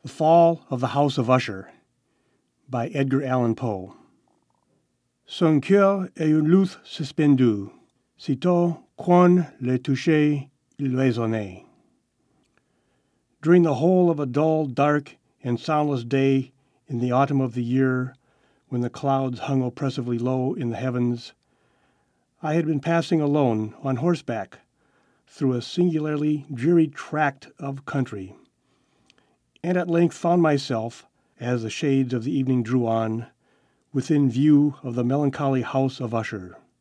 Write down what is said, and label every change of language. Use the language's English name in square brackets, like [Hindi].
[English] The Fall of the House of Usher by Edgar Allan Poe. [French] Son cœur est une luth suspendue, sitôt qu'on le touche, il résonne. [English] During the whole of a dull, dark, and soundless day in the autumn of the year, when the clouds hung oppressively low in the heavens, I had been passing alone on horseback through a singularly dreary tract of country, and at length found myself, as the shades of the evening drew on, within view of the melancholy house of Usher.